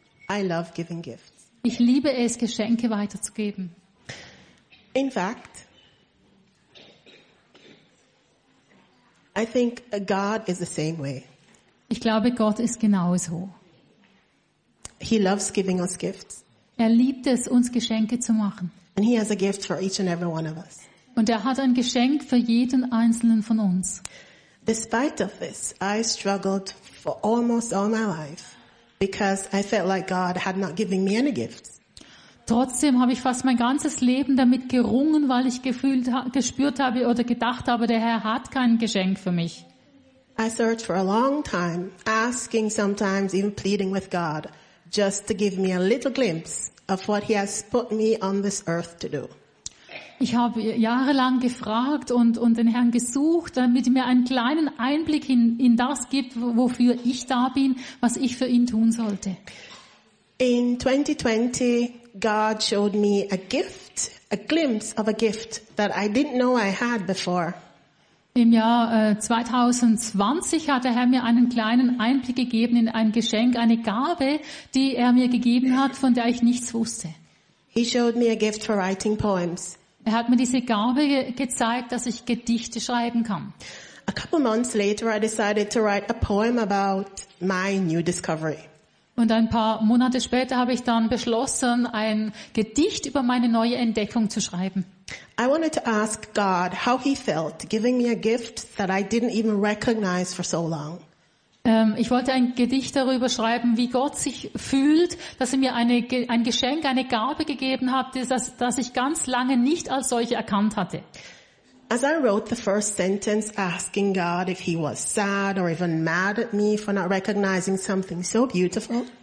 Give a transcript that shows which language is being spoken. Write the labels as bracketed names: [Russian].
[English] I love giving gifts. [German] Ich liebe es, Geschenke weiterzugeben. [English] In fact, I think God is the same way. [German] Ich glaube, Gott ist genauso. [English] He loves giving us gifts. [German] Er liebt es, uns Geschenke zu machen. [English] And he has a gift for each and every one of us. [German] Und er hat ein Geschenk für jeden einzelnen von uns. [English] Despite of this, I struggled for almost all my life because I felt like God had not given me any gifts. [German] Trotzdem habe ich fast mein ganzes Leben damit gerungen, weil ich gespürt habe oder gedacht habe, der Herr hat kein Geschenk für mich. [English] I searched for a long time, asking sometimes, even pleading with God, just to give me a little glimpse of what he has put me on this earth to do. [German] Ich habe jahrelang gefragt und den Herrn gesucht, damit er mir einen kleinen Einblick in das gibt, wofür ich da bin, was ich für ihn tun sollte. [English] In 2020, God showed me a gift, a glimpse of a gift that I didn't know I had before. [German] Im Jahr 2020 hat der Herr mir einen kleinen Einblick gegeben in ein Geschenk, eine Gabe, die er mir gegeben hat, von der ich nichts wusste. [English] He showed me a gift for writing poems. [German] Er hat mir diese Gabe gezeigt, dass ich Gedichte schreiben kann. [English] A couple months later, I decided to write a poem about my new discovery. [German] Und ein paar Monate später habe ich dann beschlossen, ein Gedicht über meine neue Entdeckung zu schreiben. [English] I wanted to ask God how he felt giving me a gift that I didn't even recognize for so long. [German] Ich wollte ein Gedicht darüber schreiben, wie Gott sich fühlt, dass er mir ein Geschenk, eine Gabe gegeben hat, das ich ganz lange nicht als solche erkannt hatte. [English] As I wrote the first sentence asking God if he was sad or even mad at me for not recognizing something so beautiful.